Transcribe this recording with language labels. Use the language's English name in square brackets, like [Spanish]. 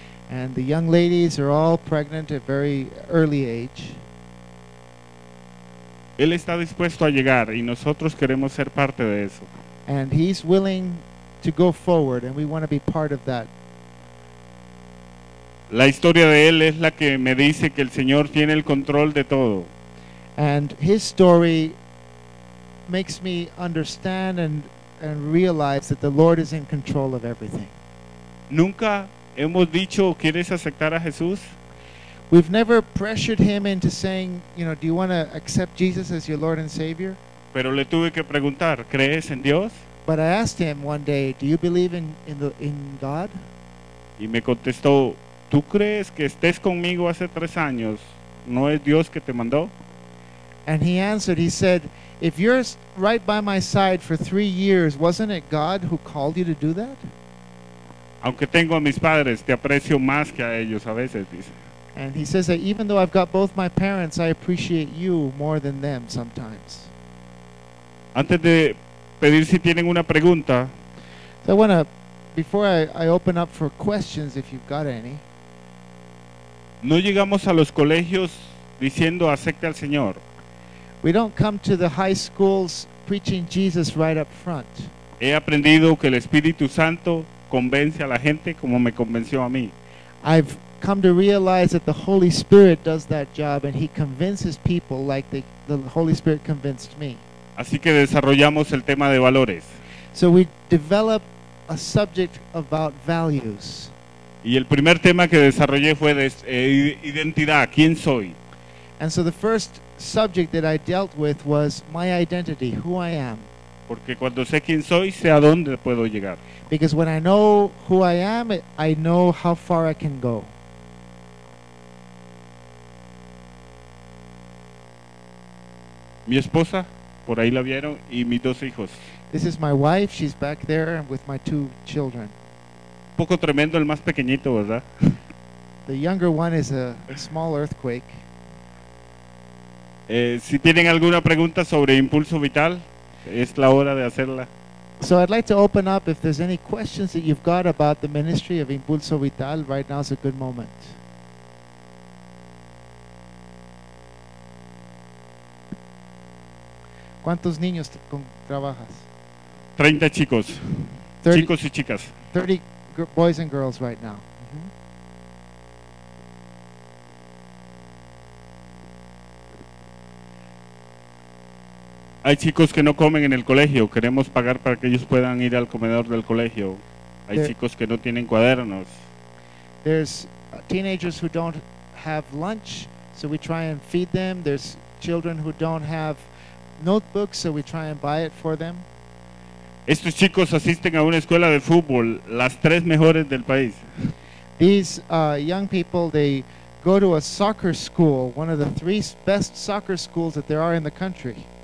[English] And the young ladies are all pregnant at very early age. [Spanish] Él está dispuesto a llegar y nosotros queremos ser parte de eso. [English] And he's willing to go forward and we want to be part of that. [Spanish] La historia de él es la que me dice que el Señor tiene el control de todo. [English] And his story makes me understand and realize that the Lord is in control of everything. [Spanish] Nunca hemos dicho, ¿quieres aceptar a Jesús? [English] We've never pressured him into saying, you know, do you want to accept Jesus as your Lord and Savior? [Spanish] Pero le tuve que preguntar, ¿crees en Dios? [English] But I asked him one day, do you believe in God? [Spanish] Y me contestó, ¿tú crees que estés conmigo hace 3 años? ¿No es Dios que te mandó? [English] And he answered, he said, if you're right by my side for 3 years, wasn't it God who called you to do that? [Spanish] Aunque tengo a mis padres, te aprecio más que a ellos a veces, dice. [English] And he says that even though I've got both my parents, I appreciate you more than them sometimes. [Spanish] Antes de pedir si tienen una pregunta. [English] So I want to, before I open up for questions, if you've got any. [Spanish] No llegamos a los colegios diciendo, acepte al Señor. [English] We don't come to the high schools preaching Jesus right up front. [Spanish] He aprendido que el Espíritu Santo convence a la gente como me convenció a mí. [English] I've come to realize that the Holy Spirit does that job and he convinces people like the Holy Spirit convinced me. [Spanish] Así que desarrollamos el tema de valores. [English] So we develop a subject about values. [Spanish] Y el primer tema que desarrollé fue de identidad, ¿quién soy? [English] And so the first subject that I dealt with was my identity, who I am. [Spanish] Porque cuando sé quién soy, sé a dónde puedo llegar. [English] Because when I know who I am, I know how far I can go. [Spanish] Mi esposa, por ahí la vieron, y mis 2 hijos. [English] This is my wife, she's back there with my 2 children. [Spanish] Un poco tremendo el más pequeñito, ¿verdad? [English] The younger one is a small earthquake. [Spanish] Si tienen alguna pregunta sobre impulso vital, es la hora de hacerla. [English] So I'd like to open up if there's any questions that you've got about the ministry of Impulso Vital, right now is a good moment. [Spanish] ¿Cuántos niños trabajas? 30 chicos. 30, chicos y chicas. [English] 30 boys and girls right now. [Spanish] Hay chicos que no comen en el colegio, queremos pagar para que ellos puedan ir al comedor del colegio. Hay chicos que no tienen cuadernos. [English] There's teenagers who don't have lunch, so we try and feed them. There's children who don't have notebooks, so we try and buy it for them. [Spanish] Estos chicos asisten a una escuela de fútbol, las 3 mejores del país. [English] These young people, they go to a soccer school, one of the 3 best soccer schools that there are in the country.